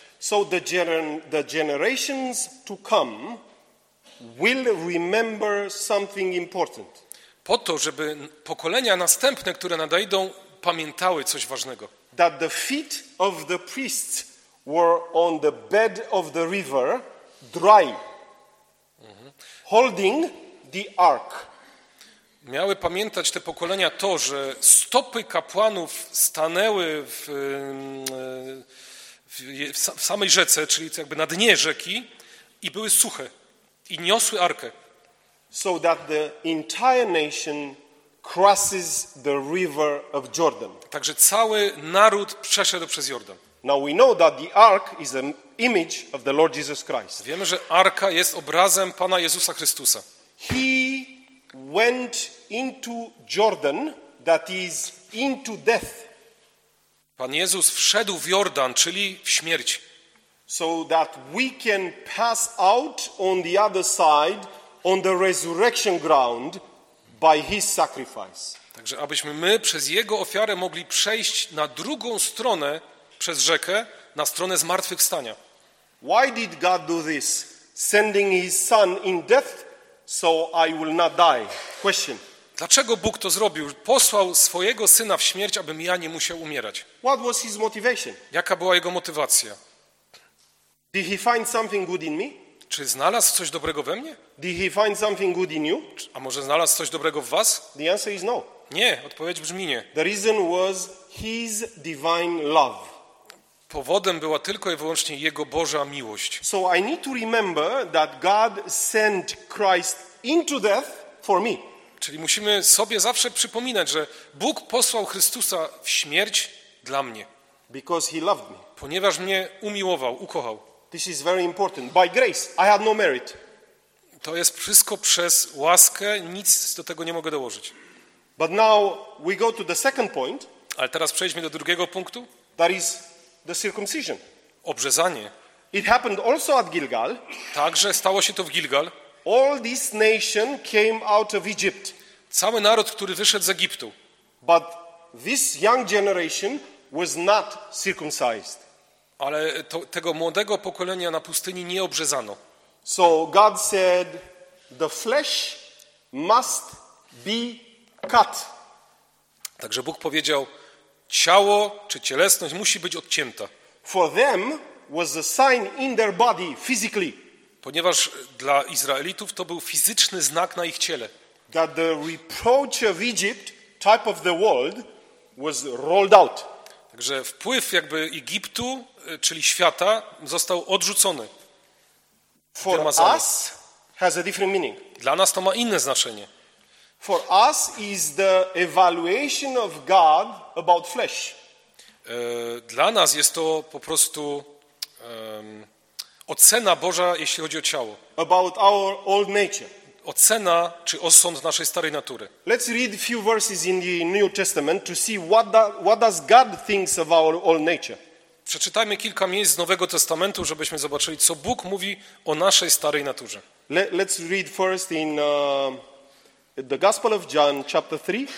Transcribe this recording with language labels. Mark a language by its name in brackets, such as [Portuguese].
[English] So the generations to come will remember something important. [Polish] Po to, żeby pokolenia następne, które nadejdą, pamiętały coś ważnego. [English] That the feet of the priests were on the bed of the river, dry, holding the ark. [Polish] Miały pamiętać te pokolenia to, że stopy kapłanów stanęły w samej rzece, czyli jakby na dnie rzeki, i były suche i niosły arkę. [English] So that the entire nation crosses the river of Jordan. [Polish] Także cały naród przeszedł przez Jordan. [English] Now we know that the ark is an image of the Lord Jesus Christ. [Polish] Wiemy, że arka jest obrazem Pana Jezusa Chrystusa. [English] He went into Jordan, that is into death. [Polish] Pan Jezus wszedł w Jordan, czyli w śmierć. [English] So that we can pass out on the other side on the resurrection ground by his sacrifice. [Polish] Także abyśmy my przez jego ofiarę mogli przejść na drugą stronę przez rzekę, na stronę zmartwychwstania. [English] Why did God do this? Sending his son in death so I will not die. Question. [Polish] Dlaczego Bóg to zrobił? Posłał swojego syna w śmierć, abym ja nie musiał umierać. [English] What was his motivation? [Polish] Jaka była jego motywacja? [English] Did he find something good in me? [Polish] Czy znalazł coś dobrego we mnie? [English] Did he find something good in you? [Polish] A może znalazł coś dobrego w was? [English] The answer is no. [Polish] Nie, odpowiedź brzmi nie. [English] The reason was his divine love. [Polish] Powodem była tylko i wyłącznie jego Boża miłość. [English] So I need to remember that God sent Christ into death for me. [Polish] Czyli musimy sobie zawsze przypominać, że Bóg posłał Chrystusa w śmierć dla mnie. [English] Because he loved me. [Polish] Ponieważ mnie umiłował, ukochał. [English] This is very important. By grace, I had no merit. [Polish] To jest wszystko przez łaskę, nic do tego nie mogę dołożyć. [English] But now we go to the second point. [Polish] Ale teraz przejdźmy do drugiego punktu. [English] That is the circumcision. [Polish] Obrzezanie. [English] It happened also at Gilgal. [Polish] Także stało się to w Gilgal. [English] All this nation came out of Egypt. [Polish] Cały naród, który wyszedł z Egiptu. [English] But this young generation was not circumcised. [Polish] Ale to, tego młodego pokolenia na pustyni nie obrzezano. [English] So God said, the flesh must be cut. [Polish] Także Bóg powiedział, ciało czy cielesność musi być odcięta. [English] For them was a sign in their body physically. [Polish] Ponieważ dla Izraelitów to był fizyczny znak na ich ciele. [English] That the reproach of Egypt, type of the world, was rolled out. [Polish] Także wpływ jakby Egiptu, czyli świata, został odrzucony. [English] For us has a different meaning. [Polish] Dla nas to ma inne znaczenie. [English] For us is the evaluation of God about flesh. [Polish] Dla nas jest to po prostu ocena Boża, jeśli chodzi o ciało. [English] About our old nature. [Polish] Ocena czy osąd naszej starej natury. [English] Let's read a few verses in the New Testament to see what does God thinks of our old nature. [Polish] Przeczytajmy kilka miejsc z Nowego Testamentu, żebyśmy zobaczyli, co Bóg mówi o naszej starej naturze. [English] Let's read first in the Gospel of John, chapter 3.